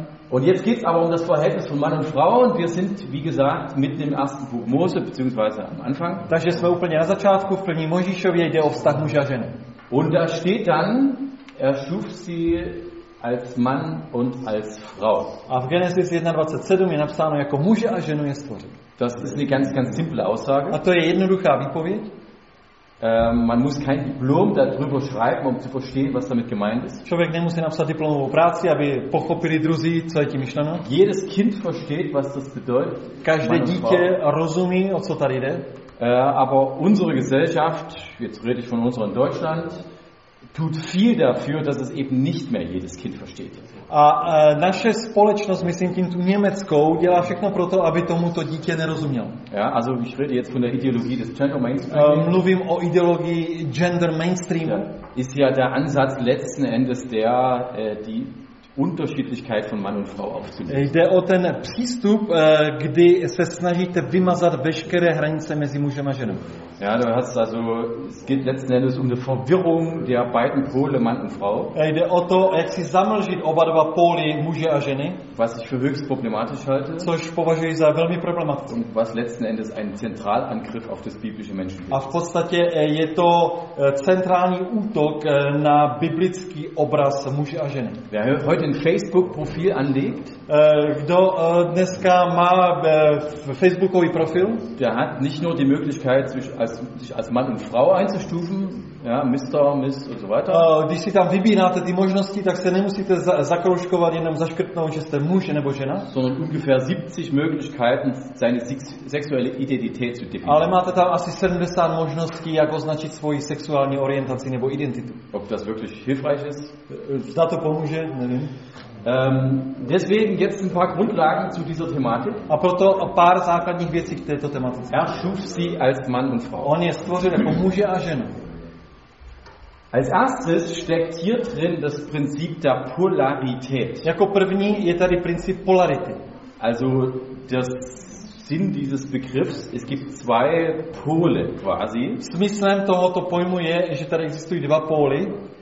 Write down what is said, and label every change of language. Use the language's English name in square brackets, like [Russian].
[German] Und jetzt geht's aber um das Verhältnis von Mann und Frau und wir sind, wie gesagt, mitten im ersten Buch Mose beziehungsweise am Anfang. [Czech] Takže jsme úplně na začátku, v první Mojžíšově, jde o vztah muže a ženy. [German] Und da steht dann, er schuf sie als Mann und als Frau. [Czech] A v Genesis 1:27 je napsáno, jako muže a ženu je stvořil. [German] Das ist eine ganz, ganz simple Aussage. [Czech] A to je jednoduchá výpověď. [German] Man muss kein Diplom darüber schreiben, um zu verstehen, was damit gemeint ist. [Czech] Člověk nemusí napsat diplomovou práci, aby pochopili druzí, co je tím myšleno. [German] Jedes Kind versteht, was das bedeutet. [Czech] Každé dítě rozumí, o co tady jde. [German] Aber unsere Gesellschaft, jetzt rede ich von unserem Deutschland, tut viel dafür, dass es eben nicht mehr jedes Kind versteht. [Czech] A naše společnost, myslím tím tu německou, dělá všechno pro to, aby tomu to dítě nerozumělo. [German] Ja, also ich rede jetzt von der Ideologie des Gender Mainstream. [Czech] Mluvím o ideologii Gender Mainstream. [German] Ja, ist ja der Ansatz letzten Endes der, die Unterschiedlichkeit von Mann und Frau aufzunehmen. [Czech] Jde o ten přístup, kdy se snažíte vymazat veškeré hranice mezi mužem a ženou. [German] Ja, du hast also, es geht letzten Endes um die Verwirrung der beiden Pole Mann und Frau. [Czech] Jde o to, jak si zamlžit oba dva póly muže a ženy. [German] Was ich für höchst problematisch halte. [Czech] Což považuji za velmi problematické. [German] Und was letzten Endes ein Zentralangriff auf das biblische Menschenbild. [Czech] A v podstatě je to centrální útok na biblický obraz muže a ženy. [German] Wer heute ein Facebook-Profil anlegt, [Czech] kdo dneska má Facebookový profil, [German] der hat nicht nur die Möglichkeit sich als Mann und Frau einzustufen, ja, Mr., Miss und so weiter. [Czech] Když si tam vybíráte ty možnosti, tak se nemusíte zakroužkovat, jenom zaškrtnout, že jste muž nebo žena. [German] Sondern ungefähr 70 Möglichkeiten, seine sexuelle Identität zu definieren. [Czech] Ale máte tam asi 70 možností, jak označit svoji sexuální orientaci nebo identitu. [German] Ob das wirklich hilfreich ist? [Czech] Zda to pomůže? Nevím. [German] Deswegen jetzt ein paar Grundlagen zu dieser Thematik. [Czech] A proto pár základních věcí k této tematice. [German] Er schuf sie als Mann und Frau. [Czech] On je stvořil jako muže a ženu. [German] Als erstes steckt hier drin das Prinzip der Polarität. [Czech] Jako první je tady princip polarity. [German] Also der Sinn dieses Begriffs, es gibt zwei Pole quasi. [Czech] Smyslem tohoto pojmu je, že tady existují dva póly.